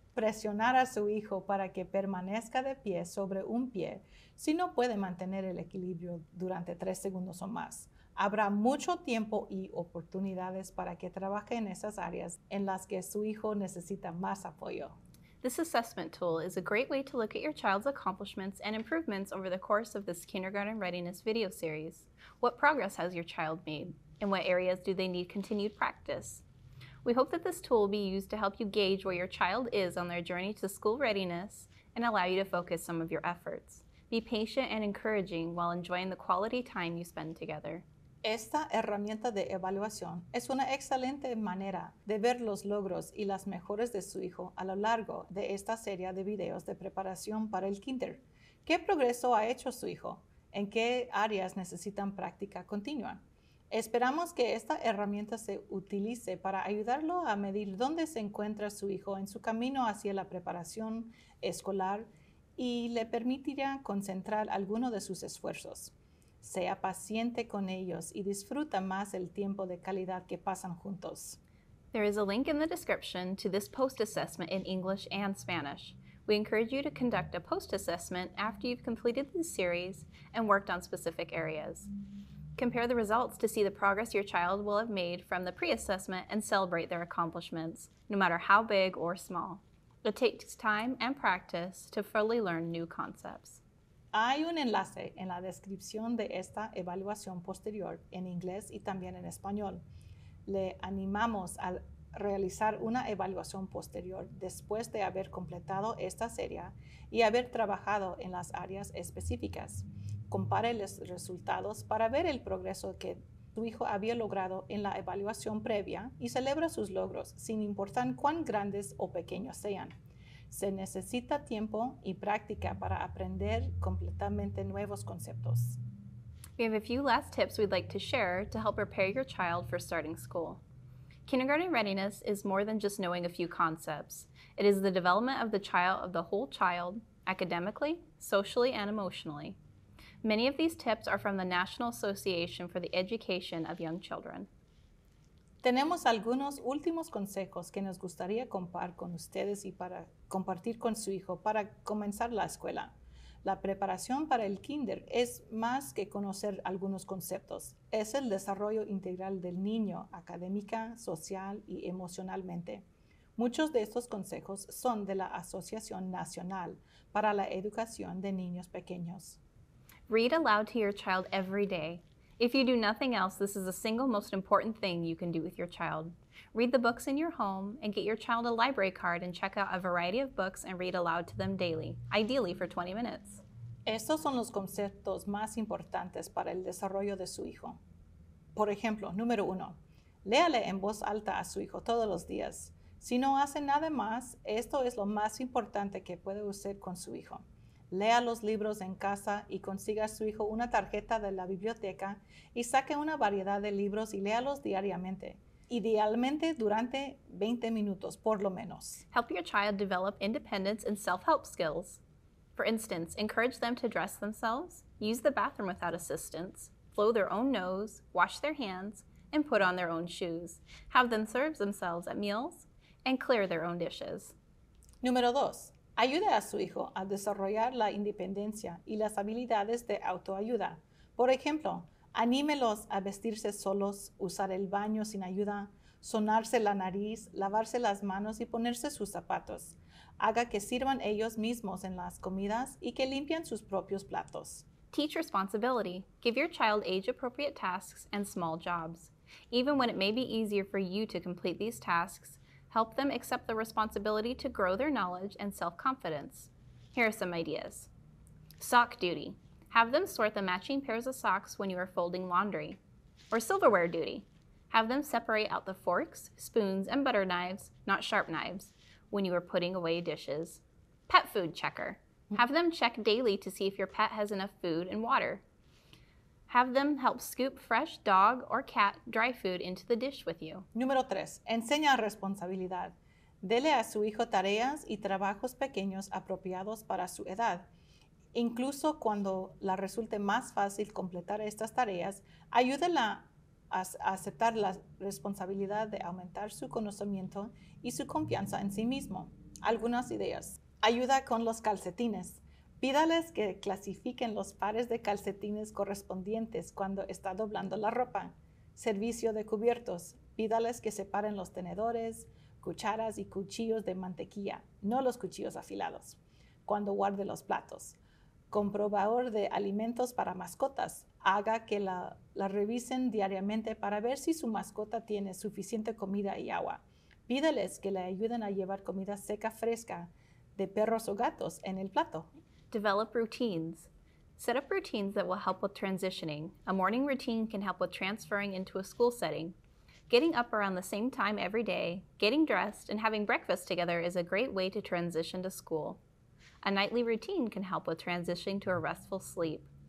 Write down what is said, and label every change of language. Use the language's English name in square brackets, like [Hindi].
[Spanish] Presionar a su hijo para que permanezca de pie sobre un pie si no puede mantener el equilibrio durante 3 segundos o más. Habrá mucho tiempo y oportunidades para que trabaje en esas áreas en las que su hijo necesita más apoyo. [English] This assessment tool is a great way to look at your child's accomplishments and improvements over the course of this kindergarten readiness video series. What progress has your child made? In what areas do they need continued practice? We hope that this tool will be used to help you gauge where your child is on their journey to school readiness and allow you to focus some of your efforts. Be patient and encouraging while enjoying the quality time you spend together. [Spanish] Esta herramienta de evaluación es una excelente manera de ver los logros y las mejores de su hijo a lo largo de esta serie de videos de preparación para el kinder. ¿Qué progreso ha hecho su hijo? ¿En qué áreas necesitan práctica continua? Esperamos que esta herramienta se utilice para ayudarlo a medir dónde se encuentra su hijo en su camino hacia la preparación escolar y le permitirá concentrar alguno de sus esfuerzos. Sea paciente con ellos y disfruta más el tiempo de calidad que pasan juntos. [English] There is a link in the description to this post-assessment in English and Spanish. We encourage you to conduct a post-assessment after you've completed the series and worked on specific areas. Compare the results to see the progress your child will have made from the pre-assessment and celebrate their accomplishments, no matter how big or small. It takes time and practice to fully learn new concepts. [Spanish] Hay un enlace en la descripción de esta evaluación posterior en inglés y también en español. Le animamos a realizar una evaluación posterior después de haber completado esta serie y haber trabajado en las áreas específicas. Compare los resultados para ver el progreso que tu hijo había logrado en la evaluación previa y celebra sus logros, sin importar cuán grandes o pequeños sean. Se necesita tiempo y práctica para aprender completamente nuevos conceptos. [English] We have a few last tips we'd like to share to help prepare your child for starting school. Kindergarten readiness is more than just knowing a few concepts. It is the development of the child, of the whole child, academically, socially, and emotionally. Many of these tips are from the National Association for the Education of Young Children. [Spanish] Tenemos algunos últimos consejos que nos gustaría compartir con ustedes y para compartir con su hijo para comenzar la escuela. La preparación para el kinder es más que conocer algunos conceptos. Es el desarrollo integral del niño, académica, social y emocionalmente. Muchos de estos consejos son de la Asociación Nacional para la Educación de Niños Pequeños. [English] Read aloud to your child every day. If you do nothing else, this is the single most important thing you can do with your child. Read the books in your home and get your child a library card and check out a variety of books and read aloud to them daily, ideally for 20 minutes. [Spanish] Estos son los conceptos más importantes para el desarrollo de su hijo. Por ejemplo, número uno, léale en voz alta a su hijo todos los días. Si no hace nada más, esto es lo más importante que puede usar con su hijo. Lea los libros en casa y consiga a su hijo una tarjeta de la biblioteca y saque una variedad de libros y léalos diariamente, idealmente durante 20 minutos, por lo menos. [English] Help your child develop independence and self-help skills. For instance, encourage them to dress themselves, use the bathroom without assistance, blow their own nose, wash their hands, and put on their own shoes. Have them serve themselves at meals and clear their own dishes. [Spanish] Número dos. Ayude a su hijo a desarrollar la independencia y las habilidades de autoayuda. Por ejemplo, anímelos a vestirse solos, usar el baño sin ayuda, sonarse la nariz, lavarse las manos y ponerse sus zapatos. Haga que sirvan ellos mismos en las comidas y que limpien sus propios platos. [English] Teach responsibility. Give your child age-appropriate tasks and small jobs. Even when it may be easier for you to complete these tasks, help them accept the responsibility to grow their knowledge and self-confidence. Here are some ideas. Sock duty. Have them sort the matching pairs of socks when you are folding laundry. Or silverware duty. Have them separate out the forks, spoons, and butter knives, not sharp knives, when you are putting away dishes. Pet food checker. Have them check daily to see if your pet has enough food and water. Have them help scoop fresh dog or cat dry food into the dish with you. [Spanish] Número tres, enseña responsabilidad. Dele a su hijo tareas y trabajos pequeños apropiados para su edad. Incluso cuando la resulte más fácil completar estas tareas, ayúdela a aceptar la responsabilidad de aumentar su conocimiento y su confianza en sí mismo. Algunas ideas. Ayuda con los calcetines. Pídales que clasifiquen los pares de calcetines correspondientes cuando está doblando la ropa. Servicio de cubiertos. Pídales que separen los tenedores, cucharas y cuchillos de mantequilla, no los cuchillos afilados, cuando guarde los platos. Comprobador de alimentos para mascotas. Haga que la revisen diariamente para ver si su mascota tiene suficiente comida y agua. Pídales que le ayuden a llevar comida seca fresca de perros o gatos en el plato. [English] Develop routines. Set up routines that will help with transitioning. A morning routine can help with transferring into a school setting. Getting up around the same time every day, getting dressed, and having breakfast together is a great way to transition to school. A nightly routine can help with transitioning to a restful sleep.